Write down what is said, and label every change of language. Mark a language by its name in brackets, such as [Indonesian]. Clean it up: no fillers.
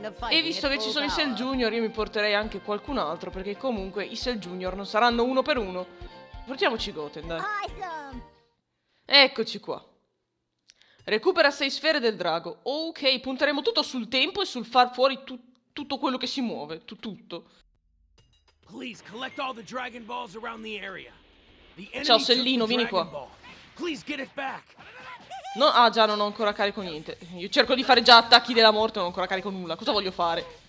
[Italian] E visto che ci sono i Cell Junior, io mi porterei anche qualcun altro, perché comunque i Cell Junior non saranno uno per uno. Portiamoci Goten, dai. Eccoci qua. Recupera 6 sfere del drago. Ok, punteremo tutto sul tempo e sul far fuori tutto quello che si muove. Tutto. [English] Please collect all the Dragon Balls around the area. [Italian] Ciao Sellino, vieni qua. [English] Please get it back. [Italian] No, già, non ho ancora carico niente. Io cerco di fare già attacchi della morte, non ho ancora carico nulla. Cosa voglio fare?